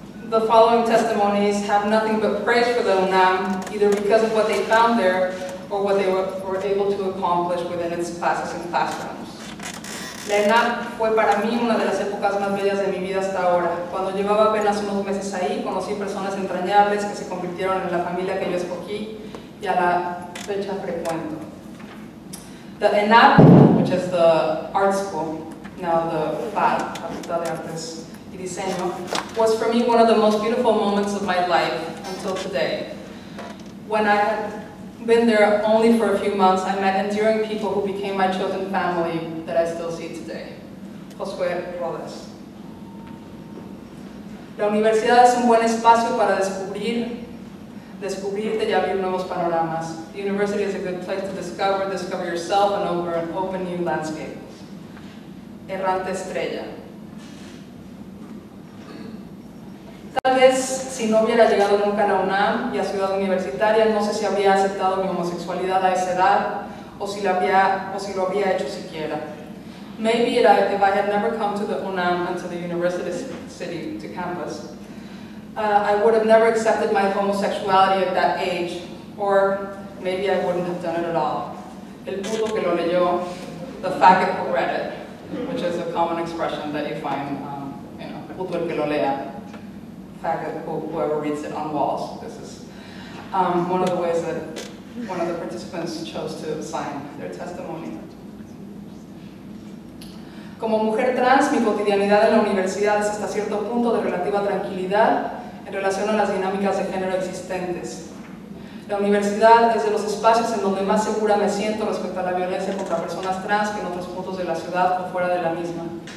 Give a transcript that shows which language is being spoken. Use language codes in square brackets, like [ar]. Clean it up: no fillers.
[en] The following testimonies have nothing but praise for the UNAM, either because of what they found there, or what they were able to accomplish within its classes and classrooms. [es] La UNAM fue para mí una de las épocas más bellas de mi vida hasta ahora. Cuando llevaba apenas unos meses ahí, conocí personas entrañables que se convirtieron en la familia que yo escogí y a la fecha frecuento. [en] The ENAP, which is the art school, now the FAD, Facultad de Artes y Diseño, was for me one of the most beautiful moments of my life until today. When I had been there only for a few months, I met endearing people who became my chosen family that I still see today. Josué Rodas. [es] La universidad es un buen espacio para descubrirte y abrir nuevos panoramas. [en] The university is a good place to discover yourself and open new landscapes. Errante Estrella. [es] Tal vez, si no hubiera llegado nunca a la UNAM y a Ciudad Universitaria, no sé si habría aceptado mi homosexualidad a esa edad o si lo habría hecho siquiera. [en] Maybe if I had never come to the UNAM and to the university city, to campus, I would have never accepted my homosexuality at that age, or maybe I wouldn't have done it at all. [es] El puto que lo leyó, [en] the faggot who read it, which is a common expression that you find, [es] puto el que lo lea. [en] Fact that whoever reads it on walls, this is one of the ways that one of the participants chose to sign their testimony. [es] Como mujer trans, mi cotidianidad en la universidad es hasta cierto punto de relativa tranquilidad en relación a las dinámicas de género existentes. La universidad es de los espacios en donde más segura me siento respecto a la violencia contra personas trans que en otros puntos de la ciudad o fuera de la misma.